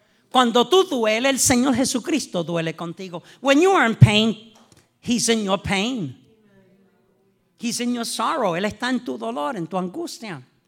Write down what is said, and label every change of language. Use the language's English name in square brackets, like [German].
[Spanish] Cuando tú dueles, el Señor Jesucristo duele contigo. [English] When you are in pain, He's in your pain. He's in your sorrow. [Spanish] Él está en tu dolor, en tu angustia.